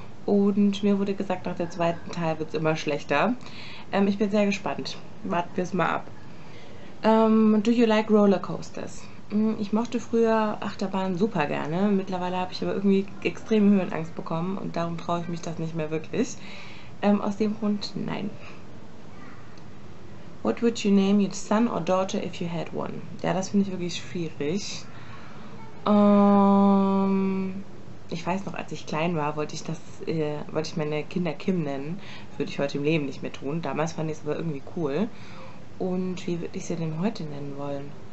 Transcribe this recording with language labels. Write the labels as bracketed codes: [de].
[de] Und mir wurde gesagt, nach dem zweiten Teil wird es immer schlechter. Ich bin sehr gespannt. Warten wir es mal ab. [en] Do you like Rollercoasters? [de] Ich mochte früher Achterbahnen super gerne. Mittlerweile habe ich aber irgendwie extreme Höhenangst bekommen und darum traue ich mich das nicht mehr wirklich. Aus dem Grund, nein. [en] What would you name your son or daughter if you had one? [de] Ja, das finde ich wirklich schwierig. Ich weiß noch, als ich klein war, wollte ich meine Kinder Kim nennen. Würde ich heute im Leben nicht mehr tun. Damals fand ich es aber irgendwie cool. Und wie würde ich sie denn heute nennen wollen?